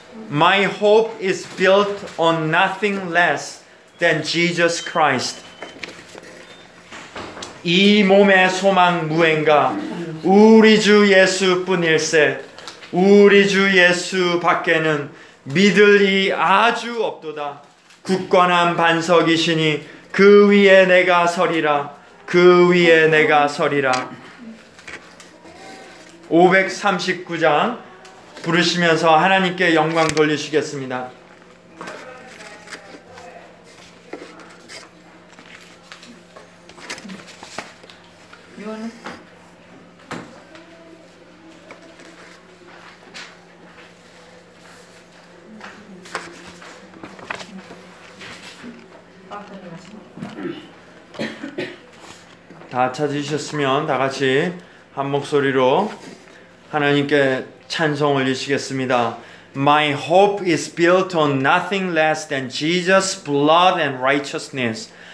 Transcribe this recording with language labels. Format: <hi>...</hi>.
<en>My hope is built on nothing less than Jesus Christ.</en> <ko>이 몸의 소망 무엔가 우리 주 예수뿐일세 우리 주 예수 밖에는 믿을 이 아주 없도다 굳건한 반석이시니 그 위에 내가 서리라 그 위에 내가 서리라 539장 부르시면서 하나님께 영광 돌리시겠습니다. 다 찾으셨으면 다 같이 한 목소리로 하나님께 찬송 올리시겠습니다.</ko> <en>My hope is built on nothing less than Jesus' blood and righteousness.</en>